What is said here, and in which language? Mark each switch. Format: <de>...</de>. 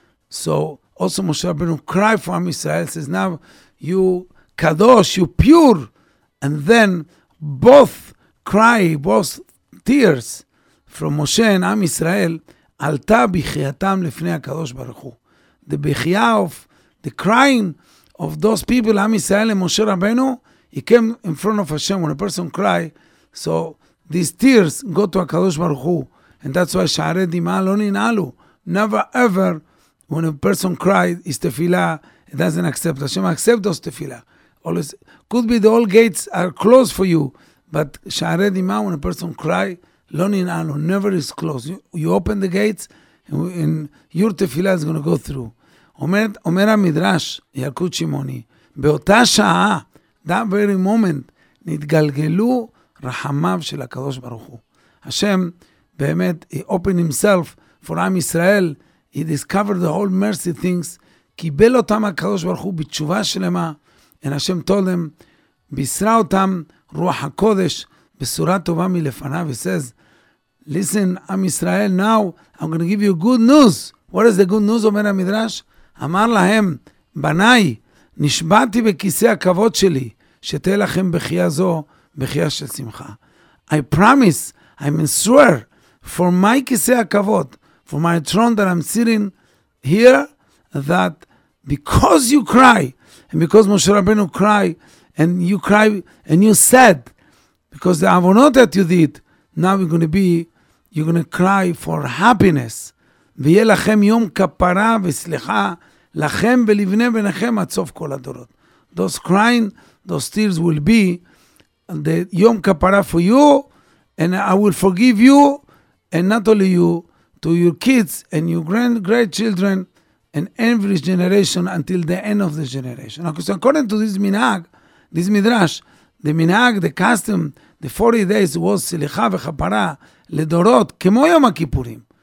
<en>So also משה רבנו cry for Am Yisrael, says now you kadosh, you pure. And then both cry, both tears from משה and Am Yisrael,</en> <he>עלתה בחייתם לפני הקדוש ברוך הוא.</he> <en>The בחייה of the crying of those people, Am Yisrael and Moshe Rabbeinu, he came in front of Hashem. When a person cry, so these tears go to HaKadosh Baruch Hu. And that's why</en> <he>Sha'are Dima lo ninalu.</he> <en>Never ever, when a person cried, is tefillah, it doesn't accept. Hashem accept those tefillah. Always, could be the old gates are closed for you, but Sha'are Dima, when a person cry, lo ninalu, never is closed. You open the gates, and your tefillah is going to go through.</en> <he>אומר המדרש, ילקוט שמעוני, באותה שעה,</he> <en>that very moment,</en> <he>נתגלגלו רחמיו של הקדוש ברוך הוא. השם, באמת,</he> <en>he opened himself for Am Yisrael, he discovered the whole mercy things,</en> <he>קיבל אותם הקדוש ברוך הוא בתשובה שלמה,</he> <en>and השם told them,</en> <he>בישרה אותם רוח הקודש, בשורה טובה מלפניו,</he> <en>he says, listen, Am Yisrael, now, I'm going to give you good news. What is the good news,</en> <he>אומר המדרש? אמר להם, בניי, נשבעתי בכיסא הכבוד שלי, שתהיה לכם בחייה זו, בחייה של שמחה.</he> <en>I promise, I'm swear, for my כיסא הכבוד, for my throne that I'm sitting here, that because you cry, and because משה רבנו cry, and you cry, and you said, because the עוונות that you did, now you're going to be, you're going to cry for happiness.</en> <he>ויהיה לכם יום כפרה וסליחה לכם ולבני בניכם עד סוף כל הדורות.</he> <en>those crying, those tears will be the Yom Kapara for you, and I will forgive you, and not only you, to your kids and your great-grandchildren and every generation until the end of the generation. Now, so according to this minhag, this midrash, the minhag, the custom, the 40 days was</en> <he>Selicha v'chapara ledorot kemo Yom HaKippurim.</he>